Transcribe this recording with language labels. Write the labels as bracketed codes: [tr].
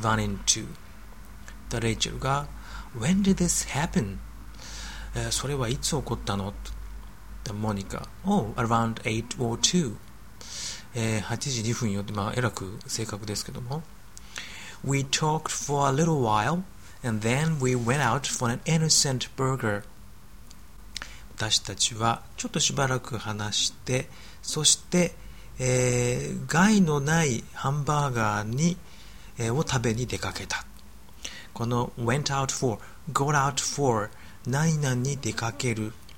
[en] run into the Rachel が When did this happen? [ja] それはいつ起こったの? [en] The Monica. Oh, around 8:02. [ja] 8時2分よって、まあ、えらく正確ですけども。 [en] We talked for a little while, and then we went out for an innocent burger. [ja] 私たちはちょっとしばらく話して、そして、害のないハンバーガーに、を食べに出かけた。この [en] went out for、go out for、 [ja] 何々に出かける。